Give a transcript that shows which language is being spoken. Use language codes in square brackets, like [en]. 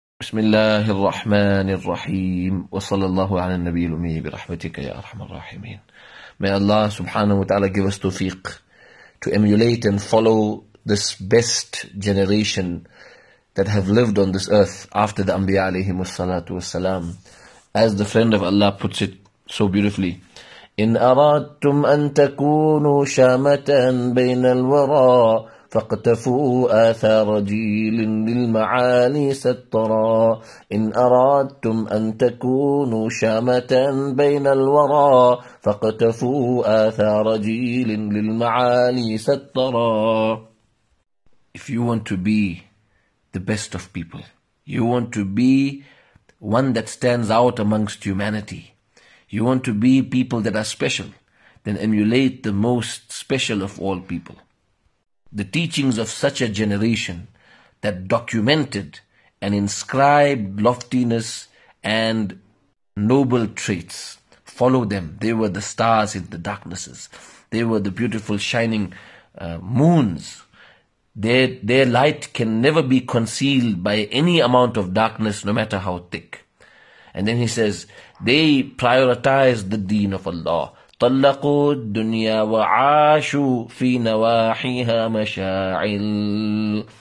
[ar] بسم الله الرحمن الرحيم وصلى الله على النبي الأمي برحمتك يا أرحم الراحمين. [en] May Allah subhanahu wa ta'ala give us tawfiq to emulate and follow this best generation that have lived on this earth after the Anbiya alayhim wassalatu wassalam. As the friend of Allah puts it so beautifully, [ar] إِنْ أَرَادْتُمْ أَن تَكُونُوا شَامَةً بَيْنَ الْوَرَىٰ فاقتفوا آثار جيل للمعاني سترا إن أرادتم أن تكونوا شامة بين الورى فاقتفوا آثار جيل للمعاني سترا. [en] If you want to be the best of people, you want to be one that stands out amongst humanity, you want to be people that are special, then emulate the most special of all people. The teachings of such a generation that documented and inscribed loftiness and noble traits. Follow them. They were the stars in the darknesses. They were the beautiful shining moons. Their light can never be concealed by any amount of darkness, no matter how thick. And then he says, they prioritized the deen of Allah. [ar] طلقوا الدنيا وعاشوا في نواحيها مشاعل.